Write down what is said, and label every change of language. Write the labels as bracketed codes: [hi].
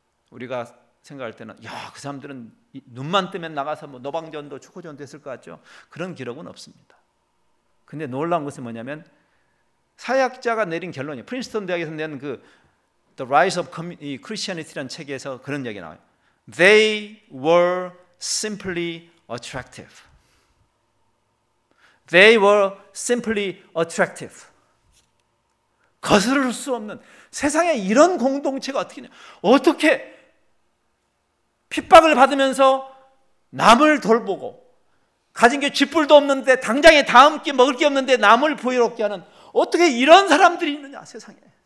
[ko] 우리가 생각할 때는 야, 그 사람들은 눈만 뜨면 나가서 뭐 노방전도 축구전도 했을 것 같죠. 그런 기록은 없습니다. 근데 놀라운 것은 뭐냐면 사회학자가 내린 결론이, 프린스턴 대학에서 낸 그 The Rise of Christianity라는 책에서 그런 얘기 나와요. [en] They were simply attractive. They were simply attractive. [ko] 거스를 수 없는, 세상에 이런 공동체가 어떻게냐? 어떻게 핍박을 받으면서 남을 돌보고 가진 게 쥐뿔도 없는데 당장에 다음 끼 먹을 게 없는데 남을 부유롭게 하는, 어떻게 이런 사람들이 있느냐 세상에.